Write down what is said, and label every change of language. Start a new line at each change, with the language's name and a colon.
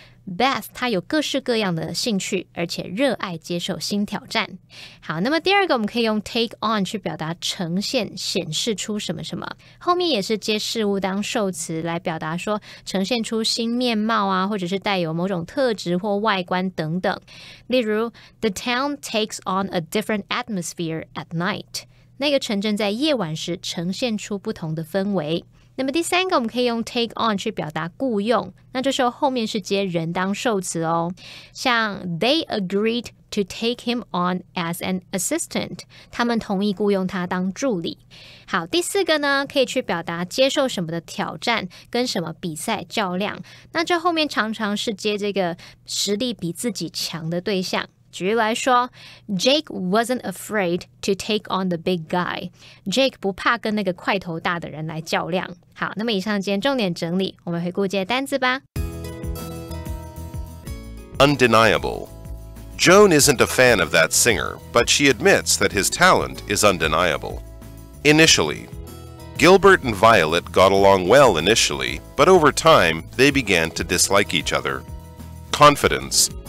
Chinese: Beth 她有各式各样的兴趣，而且热爱接受新挑战。好，那么第二个我们可以用 take on 去表达呈现、显示出什么什么，后面也是接事物当受词来表达说呈现出新面貌啊，或者是带有某种特质或外观等等。
English: 例如 The town takes on a different atmosphere at night.
Chinese: 那个城镇在夜晚时呈现出不同的氛围。那么第三个我们可以用 take on 去表达雇用，那这时候后面是接人当受词哦。
English: 像 they agreed to take him on as an assistant，
Chinese: 他们同意雇用他当助理。好，第四个呢可以去表达接受什么的挑战，跟什么比赛较量，那这后面常常是接这个实力比自己强的对象。举例来说，
English: Jake wasn't afraid to take on the big guy.
Chinese: Jake 不怕跟那个块头大的人来较量。好，那么以上今天重点整理，我们回顾接单字吧。
English: Undeniable. Joan isn't a fan of that singer, but she admits that his talent is undeniable. Initially. Gilbert and Violet got along well initially, but over time, they began to dislike each other. Confidence.